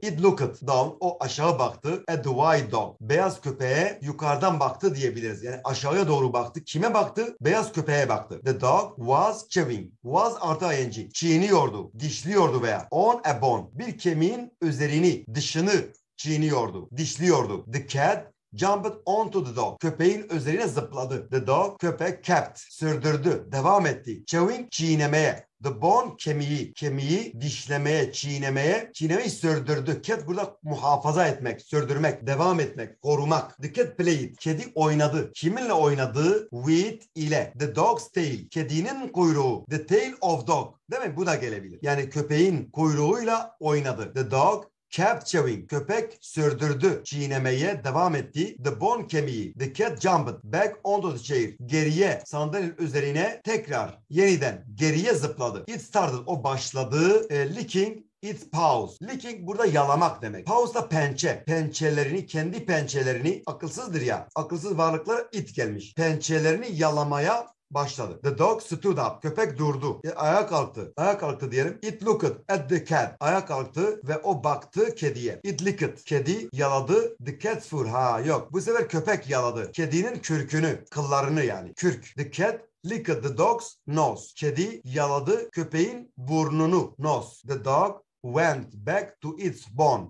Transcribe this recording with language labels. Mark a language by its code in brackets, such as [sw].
[en] It looked down, [tr] o aşağı baktı. [en] A white dog, [tr] beyaz köpeğe yukarıdan baktı diyebiliriz. Yani aşağıya doğru baktı. Kime baktı? Beyaz köpeğe baktı. [en] The dog was chewing. [tr] Was artı ing. Çiğniyordu, dişliyordu veya. [en] On a bone, [tr] bir kemiğin üzerini, dışını çiğniyordu, dişliyordu. [en] The cat jumped onto the dog. [tr] Köpeğin üzerine zıpladı. [en] The dog, [tr] köpek, kept, sürdürdü, devam etti. Chewing, çiğnemeye. [en] The bone, [tr] kemiği. Kemiği dişlemeye, çiğnemeye. Çiğnemeyi sürdürdü. Cat burada muhafaza etmek, sürdürmek, devam etmek, korumak. [en] The cat played. [tr] Kedi oynadı. Kiminle oynadı? With ile. [en] The dog's tail. [tr] Kedinin kuyruğu. [en] The tail of dog. [tr] Değil mi? Bu da gelebilir. Yani köpeğin kuyruğuyla oynadı. [en] The dog kept chewing. [tr] Köpek sürdürdü. Çiğnemeye devam etti. [en] The bone, [tr] kemiği. [en] The cat jumped back onto the chair. [tr] Geriye, sandalyenin üzerine tekrar, yeniden geriye zıpladı. [en] It started. [tr] O başladı. [en] Licking its paws. [tr] Licking burada yalamak demek. Paws da pençe. Pençelerini, kendi pençelerini, akılsızdır ya. Akılsız varlıklara it gelmiş. Pençelerini yalamaya başladı. [en] The dog stood up. [tr] Köpek durdu. Ayağa kalktı. Ayağa kalktı diyelim. [en] It looked at the cat. [tr] Ayağa kalktı ve o baktı kediye. [en] It licked. [tr] Kedi yaladı. [en] The cat's fur. [tr] Ha yok. Bu sefer köpek yaladı. Kedinin kürkünü. Kıllarını yani. Kürk. [en] The cat licked the dog's nose. [tr] Kedi yaladı köpeğin burnunu. [en] Nose. The dog went back to its bone.